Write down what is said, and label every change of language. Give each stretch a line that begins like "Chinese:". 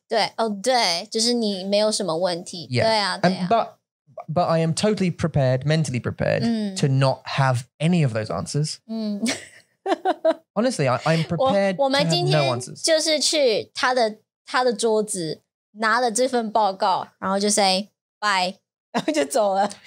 Chinese: 对哦、oh, 对，就是你没有什么问题。
English: Yeah.
Chinese: 对啊，对啊。
English: But I am totally prepared, mentally prepared, to not have any of those answers. Honestly, I'm prepared.
Chinese: 我们今天就是去他的桌子拿了这份报告，然后就
English: say bye，
Chinese: 然后就走了，